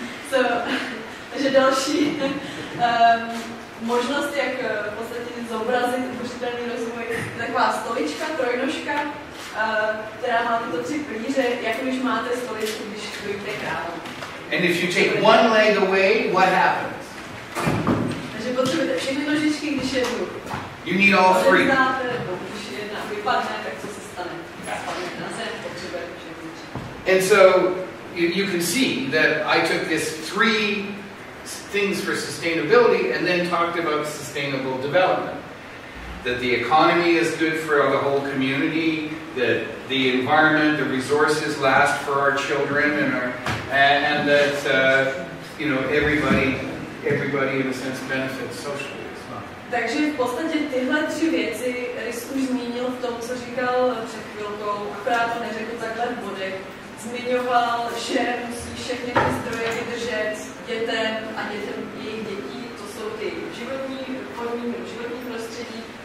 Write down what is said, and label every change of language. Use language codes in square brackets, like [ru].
[en] So, [cs] takže další možnost, jak v podstatě zobrazit udržitelný rozvoj, taková stolička, trojnožka, která má tyto tři pilíře, jako když máte stoličku, když dojíte krávu. [en] And if you take one leg away, what happens? [cs] Takže potřebujete všechny nožičky, když jednu. [en] You need all three. [cs] Když jedna, aby upadne, tak co se stane? Spadne na zem, potřebuje všechno. [en] And so you can see that I took this three things for sustainability and then talked about sustainable development. That the economy is good for the whole community, that the environment, the resources last for our children, and that you know, everybody in a sense benefits socially as well. [cs] Takže v podstatě tyhle tři věci Rys už zmínil v tom, co říkal před chvilkou, akorát to neřekl takhle v bodech. Zmiňoval, že musí všechny ty zdroje vydržet dětem a dětem jejich dětí, to jsou ty životní podmínky, životní prostředí.